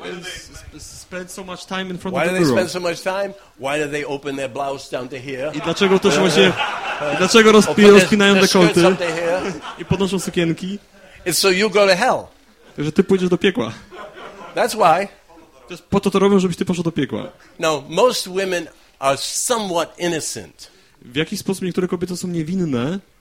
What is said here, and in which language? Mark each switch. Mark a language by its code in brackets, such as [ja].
[en] and spend so much time in front why of the mirror. Why do they spend so much time? Why do they open their blouse down to here? [pl] I dlaczego to się i dlaczego rozpinają dekolty i podnoszą sukienki? [en] And so you go to hell. [pl] Także ty pójdziesz do piekła. [en] That's why. [pl] Just po to robią, żebyś ty poszedł do piekła. [en] No, most women are somewhat innocent. [pl] W jakiś sposób niektóre kobiety są niewinne,